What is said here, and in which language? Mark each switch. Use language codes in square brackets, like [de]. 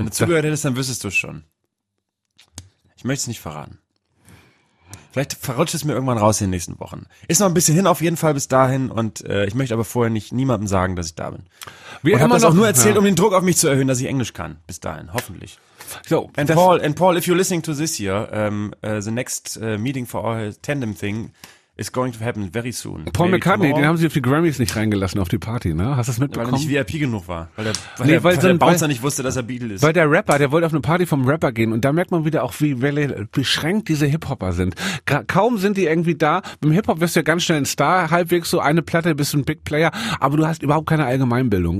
[de] Wenn du zugehört hättest, dann wüsstest du es schon. Ich möchte es nicht verraten. Vielleicht verrutscht es mir irgendwann raus in den nächsten Wochen. Ist noch ein bisschen hin auf jeden Fall bis dahin. Und ich möchte aber vorher nicht niemandem sagen, dass ich da bin. Ich habe das auch nur erzählt, um den Druck auf mich zu erhöhen, dass ich Englisch kann. Bis dahin, hoffentlich. So, [en] and Paul, if you're listening to this here, the next meeting for our tandem thing is going to happen very soon. [de] Paul Maybe McCartney, tomorrow. Den haben sie auf die Grammys nicht reingelassen auf die Party, ne? Hast du das mitbekommen? Weil er nicht VIP genug war. Weil der Bouncer nicht wusste, dass er Beatle ist. Weil der Rapper, der wollte auf eine Party vom Rapper gehen und da merkt man wieder auch, wie beschränkt diese Hip-Hopper sind. Kaum sind die irgendwie da. Beim Hip-Hop wirst du ja ganz schnell ein Star, halbwegs so eine Platte, bist du ein Big Player, aber du hast überhaupt keine Allgemeinbildung.